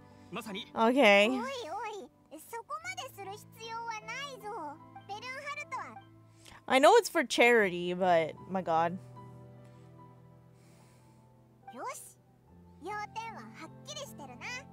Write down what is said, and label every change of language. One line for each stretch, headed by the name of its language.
Japanese: まさに。オイオイ、そこまでする必要はないぞ。ベルンハルトは。
English: I know it's for charity, but my god.
Japanese: よし。要点ははっきりしてるな。